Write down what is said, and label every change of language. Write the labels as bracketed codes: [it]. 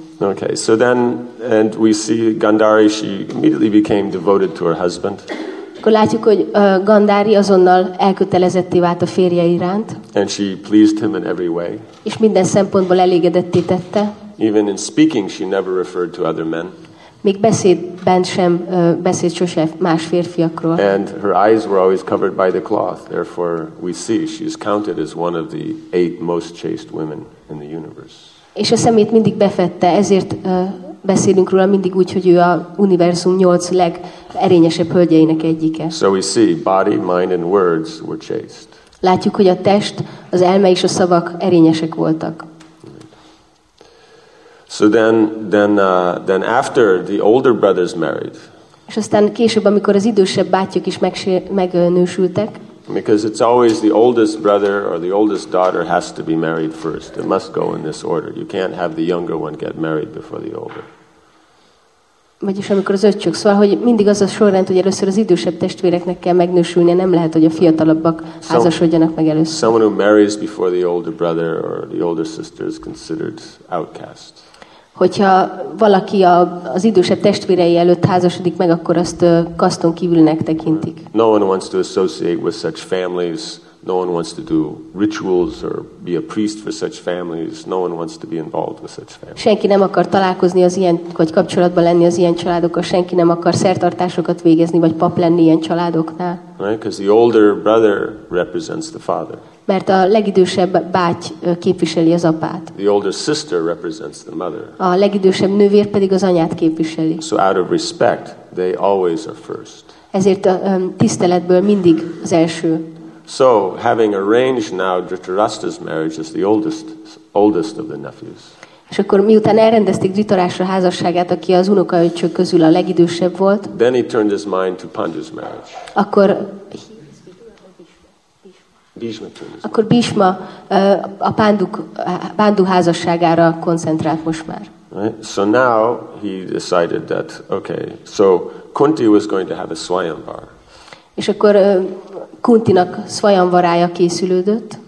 [en] Okay, so then, and we see Gandhari, she immediately became devoted to her husband. [hu] Akkor látjuk, hogy Gandhari azonnal elkötelezetté vált a férje iránt. [en] And she pleased him in every way. [hu] És minden szempontból elégedetté tette. [en] Even in speaking, she never referred to other men. [hu] Még beszédben sem beszélt sose más férfiakról. [en] And her eyes were always covered by the cloth. Therefore, we see she is counted as one of the 8 most chaste women in the universe. [hu] És a szemét mindig befette, ezért beszélünk róla mindig úgy, hogy ő a univerzum 8 legerényesebb hölgyeinek egyike. [en] So we see, body, mind and words were chaste. [hu] Látjuk, hogy a test, az elme és a szavak erényesek voltak. [en] So then after the older brothers married. [hu] És aztán később, amikor az idősebb bátyjuk is megnősültek. [en] Because it's always the oldest brother or the oldest daughter has to be married first. It must go in this order. You can't have the younger one get married before the older. [hu] Vagyis amikor az öcsök, szóval, hogy mindig az a sorrend, hogy először az idősebb testvéreknek kell megnősülnie, nem lehet, hogy a fiatalabbak házasodjanak meg először. [en] Someone who marries before the older brother or the older sister is considered outcast. [hu] Hogyha valaki az idősebb testvérei előtt házasodik meg, akkor azt kaszton kívülnek tekintik. [en] No one wants to associate with such families. No one wants to do rituals or be a priest for such families. No one wants to be involved with such families. [hu] Senki nem akar találkozni az ilyen, vagy kapcsolatban lenni az ilyen családokkal. Senki nem akar szertartásokat végezni, vagy pap lenni ilyen családoknál. [en] Right? Because the older brother represents the father. [hu] Mert a legidősebb báty képviseli az apát. [en] The older sister represents the mother. [hu] A legidősebb nővér pedig az anyát képviseli. [en] So out of respect, they always are first. [hu] Ezért a tiszteletből mindig az első. [en] So, having arranged now Dhritarashtra's marriage as the oldest of the nephews. [hu] És akkor miután elrendezték Dhritarashtra házasságát, aki az unokaöcsök közül a legidősebb volt. [en] Then he turned his mind to Pandu's marriage. [hu] Akkor Bhishma a Pandu házasságára koncentrált most már. [en] Right? So now he decided that okay, so Kunti was going to have a swayamvar. [hu] És akkor Kuntinak svajanvarája készülődött.